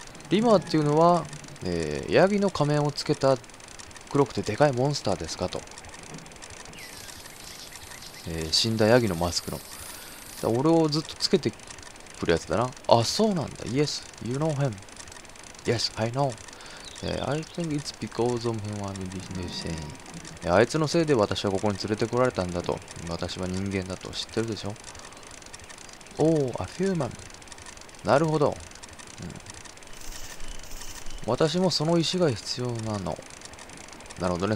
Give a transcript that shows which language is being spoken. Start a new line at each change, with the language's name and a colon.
Japanese: リマーっていうのは、ヤギの仮面をつけた黒くてでかいモンスターですかと。死んだヤギのマスクの、俺をずっとつけてくるやつだな。あ、そうなんだ。
English: Yes, you know him. Yes, I know. I think it's because of him I'm listening.
Japanese: あいつのせいで私はここに連れてこられたんだと。私は人間だと知ってるでしょ。おー、アフューマン。なるほど、うん。私もその石が必要なの。なるほどね。